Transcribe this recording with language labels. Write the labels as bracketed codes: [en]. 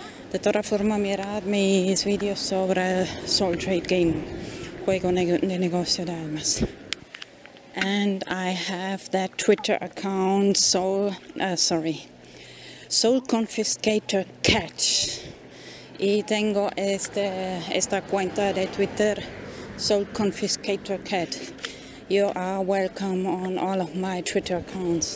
[es] De todas formas mirar mis videos sobre soul trade game, juego de negocio de almas. [en] And I have that Twitter account Soul Confiscator Catch. [es] Y tengo esta cuenta de Twitter, Soul Confiscator Cat. [en] You are welcome on all of my Twitter accounts.